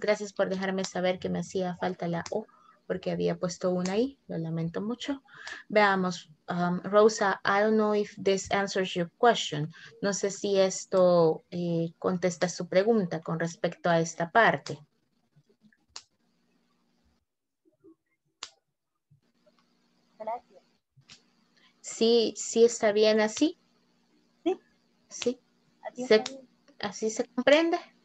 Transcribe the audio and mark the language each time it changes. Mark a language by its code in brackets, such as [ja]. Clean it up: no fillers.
[es] Gracias por dejarme saber que me hacía falta la O porque había puesto una ahí. Lo lamento mucho. Veamos. [en] Rosa, I don't know if this answers your question. [es] No sé si esto contesta su pregunta con respecto a esta parte. Gracias. Sí, sí está bien así. Sí. Sí. ¿Así se comprende?